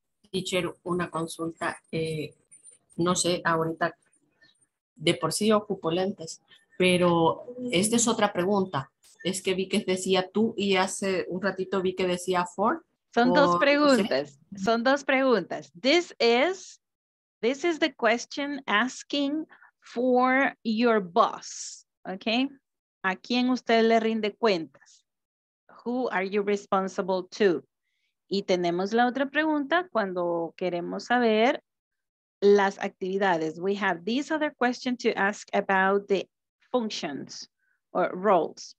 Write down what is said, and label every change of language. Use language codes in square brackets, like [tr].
[es] Teacher, una consulta, no sé, ahorita de por sí ocupo lentes, pero esta es otra pregunta, es que vi que decía tú y hace un ratito vi que decía for, Son dos preguntas. Son dos preguntas. [en] This is the question asking for your boss. [es] Okay. ¿A quién usted le rinde cuentas? [en] Who are you responsible to? [es] Y tenemos la otra pregunta cuando queremos saber las actividades. [en] We have this other question to ask about the functions or roles.